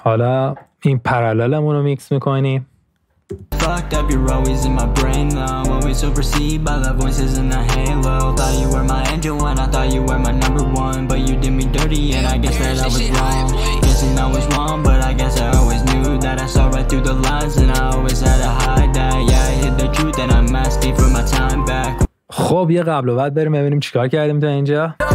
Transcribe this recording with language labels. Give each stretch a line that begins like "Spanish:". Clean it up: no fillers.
Persian: حالا این پرالالمون رو میکس میکنیم.
English: Fucked up, you're always in my brain now. Always overseen by the voices in the halo. Thought you were my angel when I thought you were my number one. But you did me dirty and I guess that I was wrong. Guessing I was wrong, but I guess I always knew that I saw right through the lines and I always had to hide that. Yeah, I hid the truth and I'm asking for my time back.
Persian: خب یه قبل و بعد بریم ببینیم چیکار کردیم تا اینجا.